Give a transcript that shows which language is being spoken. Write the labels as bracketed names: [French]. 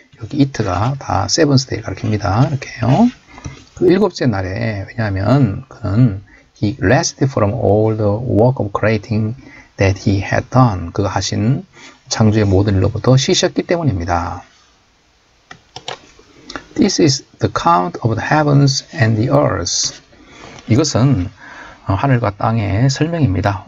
[English] 여기 it가 다 seventh day 가리킵니다. [Korean] 이렇게요. 그 일곱째 날에 왜냐하면 그는 [English] he rested from all the work of creating that he had done. [Korean] 그가 하신 창조의 모든 일로부터 쉬셨기 때문입니다. [English] This is the count of the heavens and the earth. [Korean] 이것은 하늘과 땅의 설명입니다.